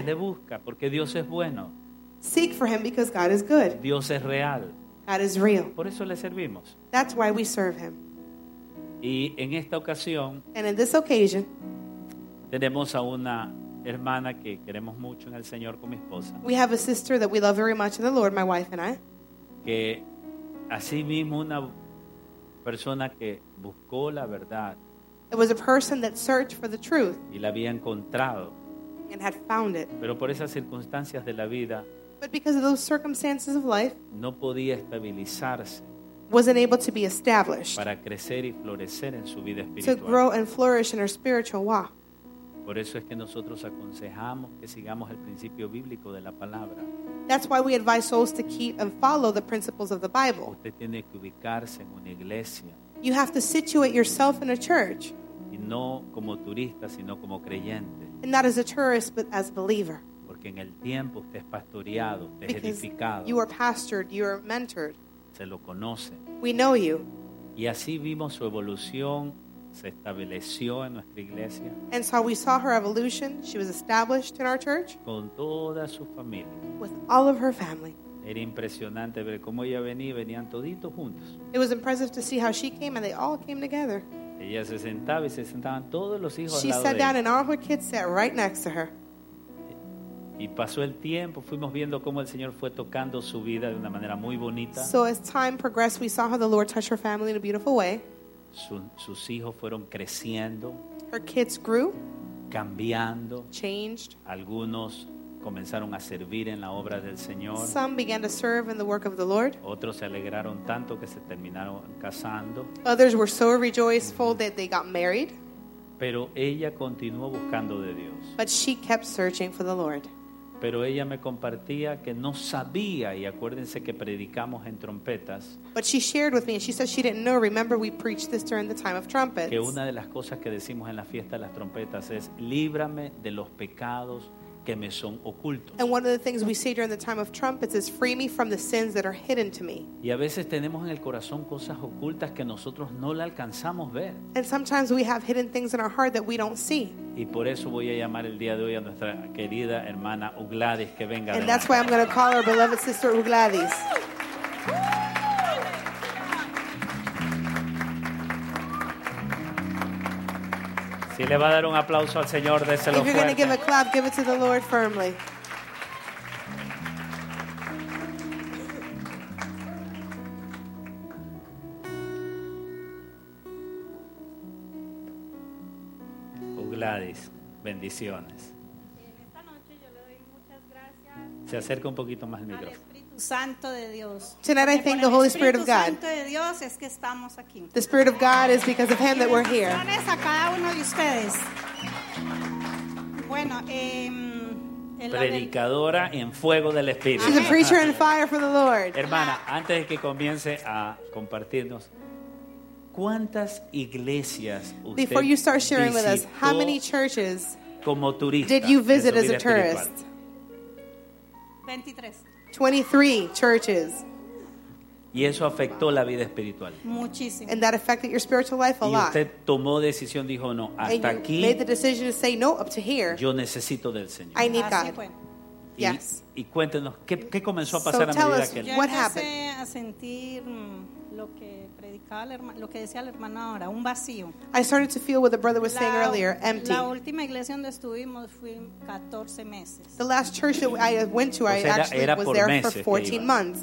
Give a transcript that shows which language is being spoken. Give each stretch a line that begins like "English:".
Spanish: Él le busca porque Dios es bueno.
English: Seek for him because God is good.
Spanish: Dios es real.
English: God is real.
Spanish: Por eso le servimos.
English: That's why we serve him.
Spanish: Y en esta ocasión,
English: and in this occasion,
Spanish: tenemos a una hermana que queremos mucho en el Señor con mi esposa.
English: We have a sister that we love very much in the Lord, my wife and I.
Spanish: Que así mismo una persona que buscó la verdad.
English: It was a person that searched for the truth.
Spanish: Y la había encontrado.
English: And had found it.
Spanish: Pero por esas circunstancias de la vida,
English: but because of those circumstances of life,
Spanish: no podía estabilizarse,
English: wasn't able to be established,
Spanish: para crecer y florecer en su vida espiritual,
English: to grow and flourish in her spiritual walk.
Spanish: Por eso es que nosotros aconsejamos que sigamos el principio bíblico de la palabra.
English: That's why we advise souls to keep and follow the principles of the Bible.
Spanish: Usted tiene que ubicarse en una iglesia.
English: You have to situate yourself in a church.
Spanish: Y no como turista, sino como creyente.
English: And not as a tourist, but as a believer.
Spanish: Porque en el tiempo usted es pastoreado, usted
English: because
Spanish: es edificado.
English: You are pastored, you are mentored.
Spanish: Se lo conoce.
English: We know you.
Spanish: Y así vimos su evolución, se estableció en nuestra iglesia.
English: And so we saw her evolution, she was established in our church.
Spanish: Con toda su familia.
English: With all of her family.
Spanish: Era impresionante ver cómo ella venía, venían toditos juntos.
English: It was impressive to see how she came and they all came together.
Spanish: Ella se sentaba y se sentaban todos los hijos
English: she
Spanish: al lado
English: sat
Spanish: de
English: down
Spanish: ella.
English: And all her kids sat right next to her.
Spanish: Y pasó el tiempo, fuimos viendo cómo el Señor fue tocando su vida de una manera muy bonita.
English: So as time progressed, we saw how the Lord touched her family in a beautiful way.
Spanish: Sus hijos fueron creciendo.
English: Her kids grew.
Spanish: Cambiando.
English: Changed.
Spanish: Algunos comenzaron a servir en la obra del Señor.
English: Some began to serve in the work of the Lord.
Spanish: Otros se alegraron tanto que se terminaron casando.
English: Others were so rejoiceful that they got married.
Spanish: Pero ella continuó buscando de Dios.
English: But she kept searching for the Lord.
Spanish: Pero ella me compartía que no sabía, y acuérdense que predicamos en trompetas.
English: But she shared with me, and she said she didn't know. Remember, we preached this during the time of trumpets.
Spanish: Que una de las cosas que decimos en la fiesta de las trompetas es, líbrame de los pecados que me son ocultos.
English: And one of the things we say during the time of trumpets is free me from the sins that are hidden to me.
Spanish: Y a veces tenemos en el corazón cosas ocultas que nosotros no la alcanzamos ver.
English: And sometimes we have hidden things in our heart that we don't see.
Spanish: Y por eso voy a llamar el día de hoy a nuestra querida hermana Ugladys que venga.
English: And that's why I'm going to call our beloved sister Ugladys.
Spanish: Si le va a dar un aplauso al Señor, déselo fuerte.
English: If you're going to give a clap, give it to the Lord firmly.
Spanish: Ugladys, bendiciones. En esta noche yo le doy muchas gracias. Se acerca un poquito más al micrófono. Santo de Dios.
English: Tonight I thank the Holy Spirit of God.
Spanish: Santo de Dios es que estamos aquí.
English: The Spirit of God is because of Him that we're here.
Spanish: Bendiciones a cada uno de ustedes. Bueno, predicadora en fuego del Espíritu.
English: She's a preacher in fire for the Lord.
Spanish: Hermana, antes de que comience a compartirnos, ¿cuántas iglesias usted visitó?
English: Before you start sharing with us, how many churches
Spanish: como turista
English: did you visit as a tourist? 23 churches.
Spanish: Y eso afectó la vida espiritual. Muchísimo.
English: And that affected your spiritual life a lot.
Spanish: Y usted tomó decisión, dijo no, hasta aquí.
English: And you made the decision to say no, up to here.
Spanish: Yo necesito del Señor.
English: I need God. Yes.
Spanish: Y cuéntenos qué comenzó a pasar a medida que.
English: So tell us what happened.
Spanish: Yo empecé a sentir lo que predicaba la hermana, lo que decía la hermana ahora, un vacío.
English: I started to feel what the brother was saying earlier, empty.
Spanish: La última iglesia donde estuvimos fue 14 meses.
English: The last church that I went to, I actually was there for 14 months.